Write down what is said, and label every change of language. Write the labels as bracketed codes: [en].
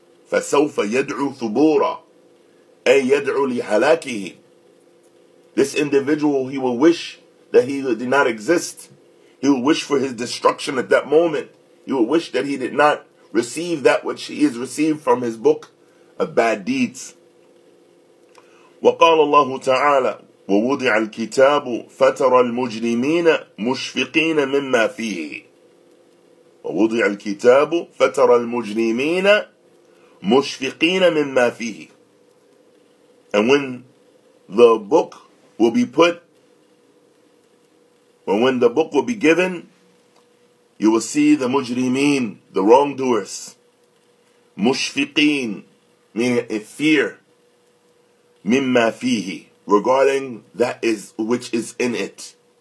[ar] فَسَوْفَ يَدْعُو ثُبُورًا أَيْ يَدْعُو لِحَلَاكِهِ. [en] This individual, he will wish that he did not exist. He will wish for his destruction at that moment. He will wish that he did not receive that which he has received from his book of bad deeds. [ar] وقال الله تعالى ووضع الكتاب فترى المجرمين مشفقين مما فيه ووضع الكتاب فترى المجرمين مشفقين مما فيه. [en] And when the book will be put, or when the book will be given, you will see the mujrimeen, the wrongdoers, mushfiqeen, meaning a fear, mimma fihi, regarding that is which is in it.